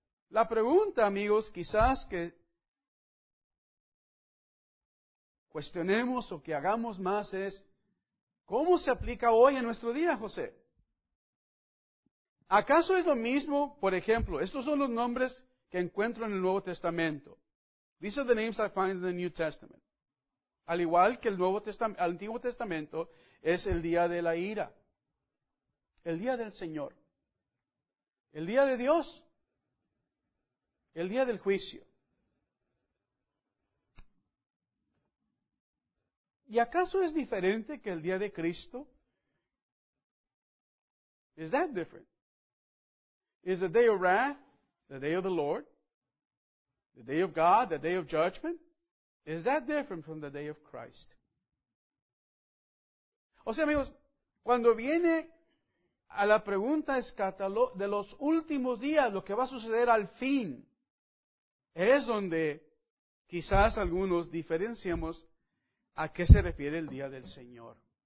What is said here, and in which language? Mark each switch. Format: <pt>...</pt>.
<es>La pregunta, amigos, quizás que cuestionemos o que hagamos más es, ¿cómo se aplica hoy en nuestro día, José? ¿Acaso es lo mismo, por ejemplo, estos son los nombres que encuentro en el Nuevo Testamento?</es> <en>These are the names I find in the New Testament.</en> <es>Al igual que el Nuevo Testamento, el Antiguo Testamento es el día de la ira, el día del Señor, el día de Dios, el día del juicio. ¿Y acaso es diferente que el día de Cristo?</es> <en>Is that different? Is the day of wrath, the day of the Lord? The day of God, the day of judgment? Is that different from the day of Christ?</en> <es>O sea, amigos, cuando viene a la pregunta de los últimos días, lo que va a suceder al fin, es donde quizás algunos diferenciamos a qué se refiere el día del Señor.</es>